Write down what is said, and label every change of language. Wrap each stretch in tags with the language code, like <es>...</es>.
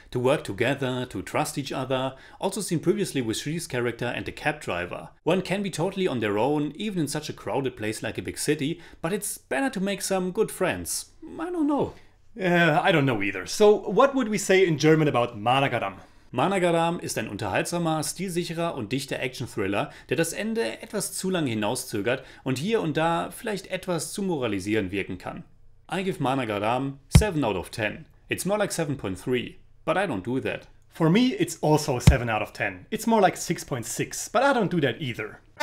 <en>To work together, to trust each other. Also seen previously with Shri's character and the cab driver. One can be totally on their own, even in such a crowded place like a big city, but it's better to make some good friends. I don't know. I don't know either. So what would we say in German about Maanagaram?</en> <de>Maanagaram ist ein unterhaltsamer, stilsicherer und dichter Actionthriller, der das Ende etwas zu lange hinauszögert und hier und da vielleicht etwas zu moralisierend wirken kann.</de> <en>I give Maanagaram 7 out of 10. It's more like 7.3, but I don't do that. For me, it's also 7 out of 10. It's more like 6.6, but I don't do that either.</en>